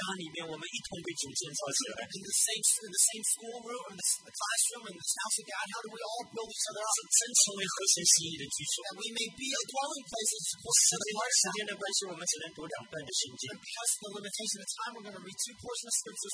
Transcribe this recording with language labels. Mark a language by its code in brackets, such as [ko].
[zh] 我们怎么样在这个学校里面，在这个家里面，我们一同被主建造起来？ [en] In the same schoolroom, in the classroom, in the house of God, how do we all build each other up? [zh] 真成为合神心意的居所。 [en] That we may be a dwelling place. [zh] 时间的关系，我们只能读两段的圣经。 [en] Because of the limitation of time, we're going to read two portions of scriptures.